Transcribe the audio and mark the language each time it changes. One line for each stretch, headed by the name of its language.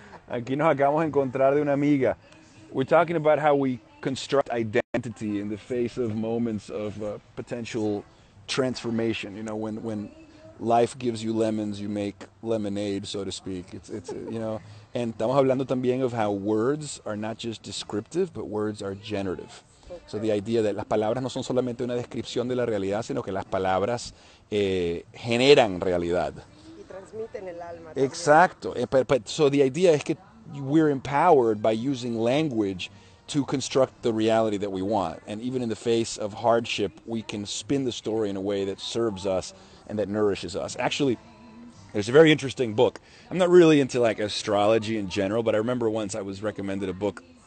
Spanish: Aquí nos acabamos de encontrar de una amiga.
English: We're talking about how we construct identity in the face of moments of potential transformation. You know, when life gives you lemons, you make lemonade, so to speak. It's you know. And
Spanish: estamos hablando también
English: of how words are not just descriptive, but words are generative. So the idea that
Spanish: las palabras no son solamente una descripción de la realidad, sino que las palabras generan realidad. Y transmiten el alma. Exacto.
English: But so the idea is that we're empowered by using language to construct the reality that we want. And even in the face of hardship, we can spin the story in a way that serves us and that nourishes us. Actually, there's a very interesting book. I'm not really into like astrology in general, but I remember once I was recommended a book